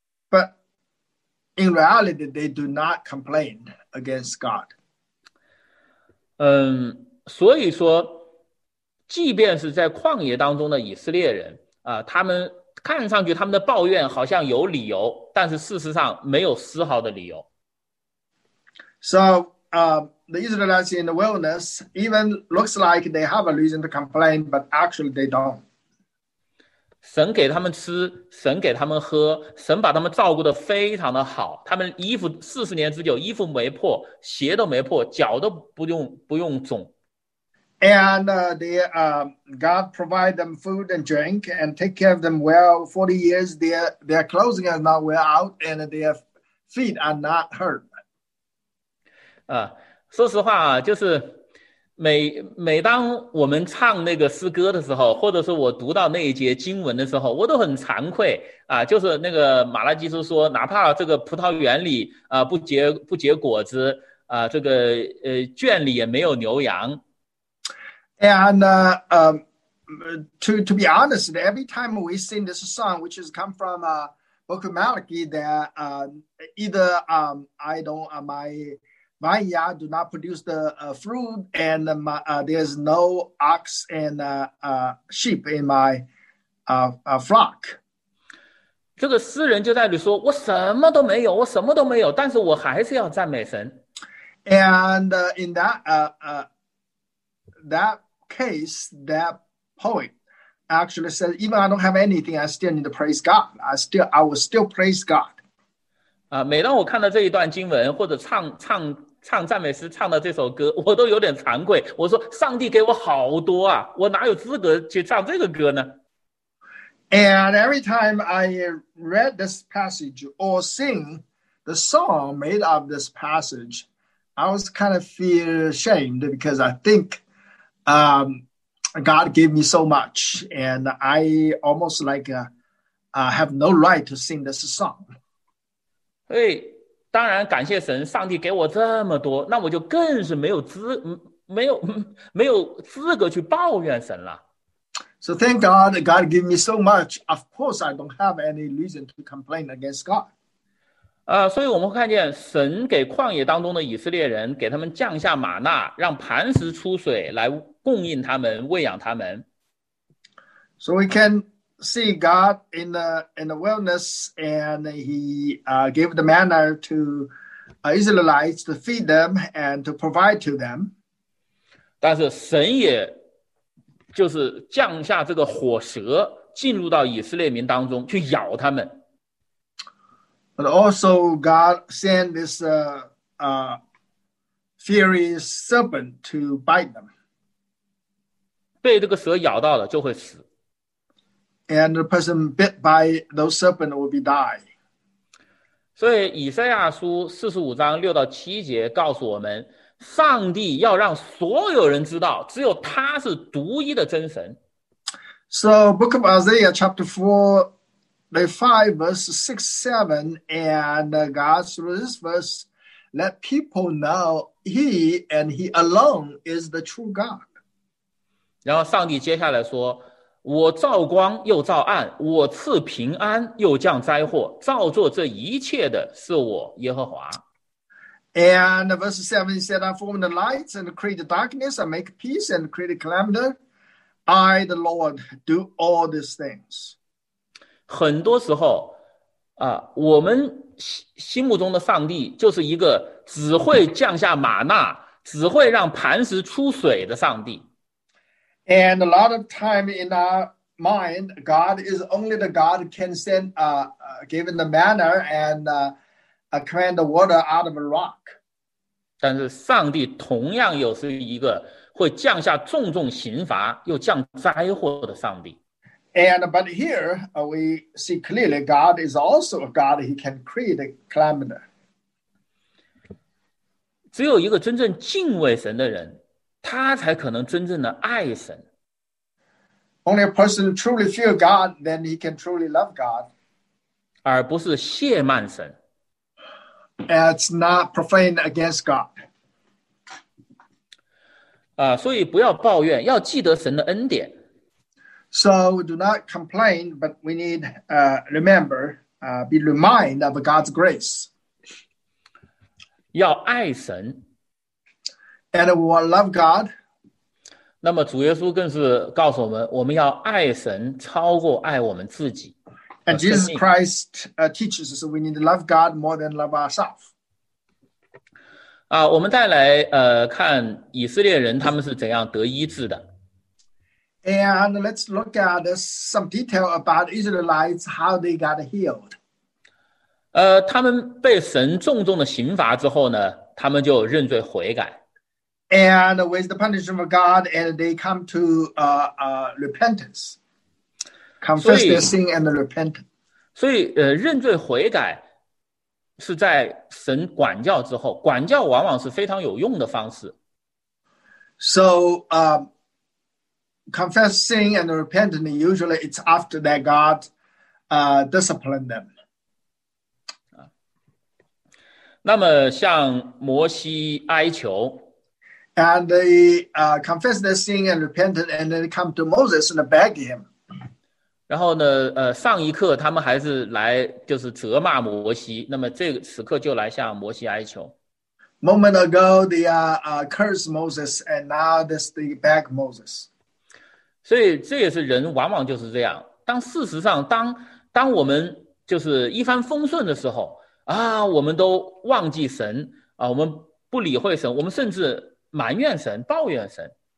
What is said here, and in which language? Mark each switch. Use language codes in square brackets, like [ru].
[en] But in reality, they do not complain against God. [zh] 所以说，即便是在旷野当中的以色列人他们看上去他们的抱怨好像有理由，但是事实上没有丝毫的理由。 [en] So, the Israelites in the wilderness even looks like they have a reason to complain, but actually they don't. [zh] 神给他们吃，神给他们喝，神把他们照顾得非常的好。他们衣服四十年之久，衣服没破，鞋都没破，脚都不用肿。 [en] And God provide them food and drink and take care of them well. 40 years, their clothing are not wear out and their feet are not hurt. [zh] 说实话啊，就是每当我们唱那个诗歌的时候，或者是我读到那一节经文的时候，我都很惭愧啊。就是那个马拉基书说，哪怕这个葡萄园里不结果子这个圈里也没有牛羊。 [en] And to be honest, every time we sing this song, which has come from Book of Malachi, that my vineyard do not produce the fruit, and there's no ox and sheep in my flock. [zh] 这个诗人就在里说，我什么都没有，我什么都没有，但是我还是要赞美神。 [en] And in that that. case, that poet actually said, even I don't have anything, I still need to praise God. I will still praise God. [zh] 每当我看到这一段经文，或者唱赞美诗唱的这首歌，我都有点惭愧。我说，上帝给我好多啊，我哪有资格去唱这个歌呢？ [en] And every time I read this passage or sing the song made of this passage, I was kind of feel ashamed because I think, God gave me so much, and I almost like have no right to sing this song. [zh] 对，当然感谢神，上帝给我这么多，那我就更是没有资格去抱怨神了。 [en] So thank God, God gave me so much. Of course, I don't have any reason to complain against God. [zh] 所以我们看见神给旷野当中的以色列人，给他们降下玛纳，让磐石出水来供应他们，喂养他们。 [en] So we can see God in the wilderness, and he gave the manna to Israelites to feed them and to provide to them. [zh] 但是神也就是降下这个火蛇进入到以色列民当中去咬他们。 [en] But also God sent this fiery serpent to bite them. [zh] 被这个蛇咬到了就会死。 [en] And the person bit by those serpents will be die. [zh] 所以以赛亚书45章6到7节告诉我们，上帝要让所有人知道，只有他是独一的真神。 [en] So book of Isaiah chapter 4, The 5 verse 6, 7, and God through this verse let people know he and he alone is the true God. [zh] 然后上帝接下来说，我造光又造暗，我赐平安又降灾祸，造作这一切的是我耶和华。 [en] And verse 7 said, I form the light and create darkness, I make peace and create calamity. I, the Lord, do all these things. [zh] 很多时候我们心目中的上帝就是一个只会降下玛纳，只会让磐石出水的上帝。 [en] And a lot of time in our mind, God is only the God who can send, given the manna and command the water out of a rock. [zh] 但是上帝同样也是一个会降下重重刑罚又降灾祸的上帝。 [en] But here we see clearly God is also a God, he can create a calamity. [zh] 只有一个真正敬畏神的人，他才可能真正的爱神。 [en] Only a person who truly fear God, then he can truly love God. [zh] 而不是亵慢神。 [en] It's not profane against God. [zh] 所以不要抱怨，要记得神的恩典。 [en] So do not complain, but we need remember, be reminded of God's grace. [zh] 要爱神。 [en] And we will love God. [zh] 那么主耶稣更是告诉我们，我们要爱神超过爱我们自己。 [en] And Jesus Christ teaches us we need to love God more than love ourselves. [zh] 我们再来看以色列人他们是怎样得医治的。 [en] And let's look at some detail about Israelites, how they got healed. [zh] 他们被神重重的刑罚之后呢，他们就认罪悔改。 [en] And with the punishment of God, and they come to repentance. Confess their sin and repent. [zh] 所以认罪悔改是在神管教之后，管教往往是非常有用的方式。 [en] So, confessing and repenting, usually it's after that God disciplined them. [zh] 那么向摩西哀求。 [en] And they confess their sin and repented, and then come to Moses and beg him. [zh] 然后呢上一刻他们还是来就是责骂摩西，那么这个时刻就来向摩西哀求。 [en] Moment ago, they cursed Moses, and now they beg Moses. [zh] 所以这也是人往往就是这样，当事实上当我们就是一帆风顺的时候我们都忘记神我们不理会神，我们甚至埋怨神抱怨神。